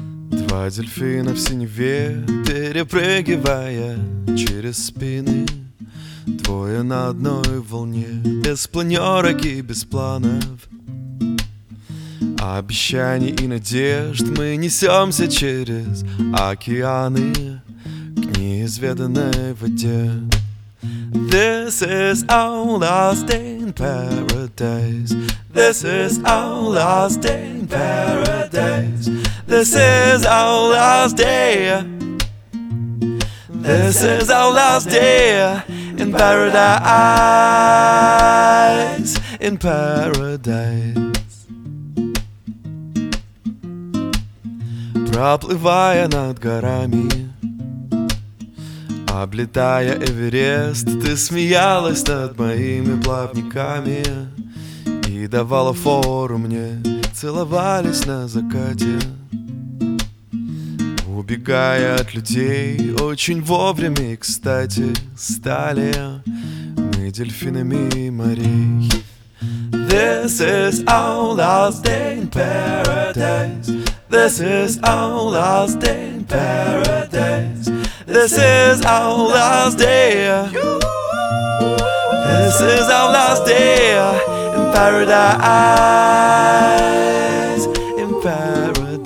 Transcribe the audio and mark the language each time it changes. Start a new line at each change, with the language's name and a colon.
Russian: Два дельфина в синеве, перепрыгивая через спины. Двое на одной волне, без планерок и без планов. Обещаний и надежд мы несемся через океаны к неизведанной воде.
English: This is our last day in paradise. This is our last day in paradise. This is our last day. This is our last day in paradise. In paradise.
Russian: Проплывая над горами, облетая Эверест, ты смеялась над моими плавниками и давала фору мне, целовались на закате. Убегая от людей, очень вовремя и кстати стали мы дельфинами морей.
English: This is our last day in paradise. This is our last day in paradise. This is our last day. This is our last day in paradise. In paradise.